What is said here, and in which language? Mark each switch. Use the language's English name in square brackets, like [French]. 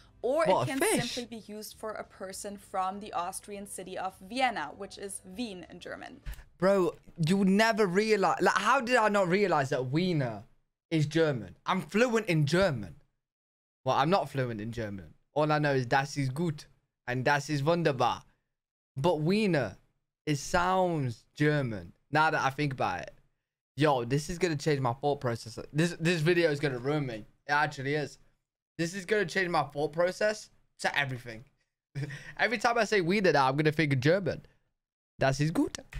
[English] Or what, it can simply be used for a person from the Austrian city of Vienna, which is Wien in German. Bro, you never realize... Like, how did I not realize that Wiener is German? I'm fluent in German. Well, I'm not fluent in German. All I know is [German] das ist gut [English] and [German] das ist wunderbar. [English] But Wiener, it sounds German. Now that I think about it. Yo, this is going to change my thought process. This video is going to ruin me. It actually is. This is going to change my thought process to everything. Every time I say Wiener now, I'm going to think German. [German] Das ist gut.